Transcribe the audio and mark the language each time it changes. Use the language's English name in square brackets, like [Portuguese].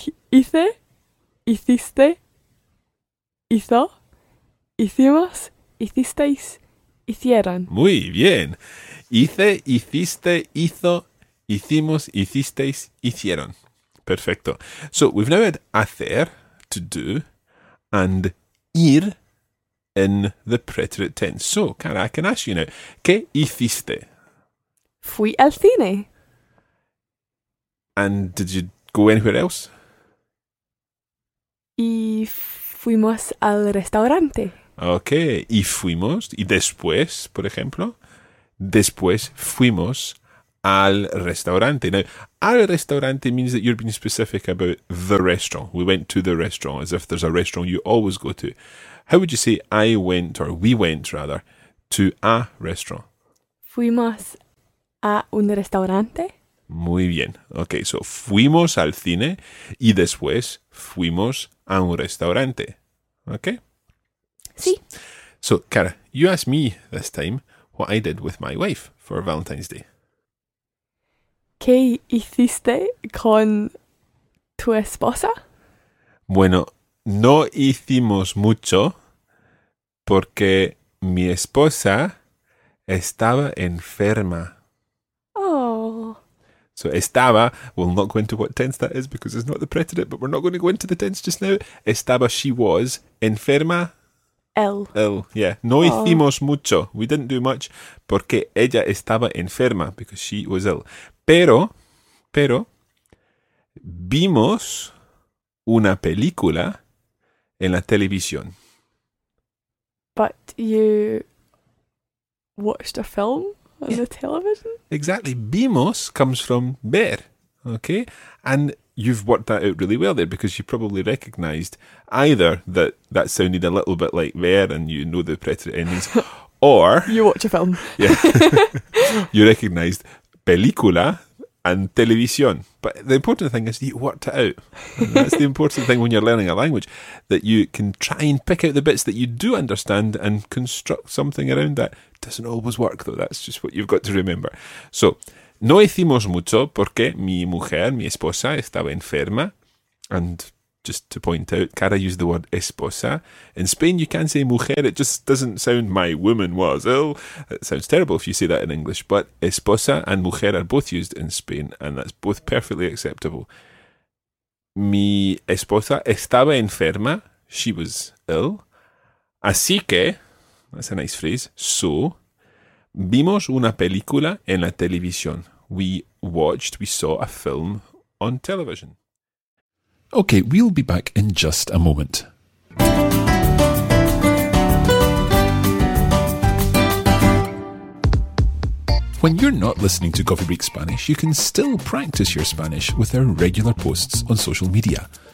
[Spanish] Hice, hiciste, hizo, hicimos, hicisteis, hicieron. Muy bien. Hice, hiciste, hizo, hicimos, hicisteis, hicieron. Perfecto. [English] So we've now had hacer, to do, and ir in the preterite tense. So, Cara, I can ask you now, [Spanish] ¿qué hiciste? Fui al cine. [English] And did you go anywhere else? [Spanish] Y fuimos al restaurante. Okay, y fuimos, y después, por ejemplo, después fuimos al restaurante. [English] Now, al restaurante means that you're being specific about the restaurant. We went to the restaurant, as if there's a restaurant you always go to. How would you say I went, or we went, rather, to a restaurant? [Spanish] Fuimos a un restaurante. Muy bien. [English] Okay, so [Spanish] fuimos al cine y después fuimos a un restaurante. [English] Okay? [Spanish] Sí. [English] So, Cara, you asked me this time what I did with my wife for Valentine's Day. [Spanish] ¿Qué hiciste con tu esposa? Bueno, no hicimos mucho porque mi esposa estaba enferma. [English] So estaba, we'll not go into what tense that is because it's not the preterite, but we're not going to go into the tense just now. [Spanish] Estaba, [English] she was, [Spanish] enferma. [English] Ill. [Spanish] Yeah. No hicimos mucho. [English] We didn't do much [Spanish] porque ella estaba enferma [English] because she was ill. [Spanish] Pero, vimos una película en la televisión. [English] But you watched a film? On the television? Exactly. Vimos comes from ver. Okay? And you've worked that out really well there because you probably recognised either that sounded a little bit like ver and you know the preterite endings, or... You watch a film. Yeah. You recognised película and televisión. But the important thing is you worked it out. And that's the important thing when you're learning a language, that you can try and pick out the bits that you do understand and construct something around that. Doesn't always work, though. That's just what you've got to remember. [Spanish] So, no hicimos mucho porque mi esposa, estaba enferma. [English] And just to point out, Cara used the word esposa. In Spain, you can say mujer. It just doesn't sound, my woman was ill. It sounds terrible if you say that in English. But esposa and mujer are both used in Spain, and that's both perfectly acceptable. [Spanish] Mi esposa estaba enferma. [English] She was ill. [Spanish] Así que... [English] That's a nice phrase. [Spanish] So, vimos una película en la televisión. [English] We saw a film on television. Okay, we'll be back in just a moment. When you're not listening to Coffee Break Spanish, you can still practice your Spanish with our regular posts on social media.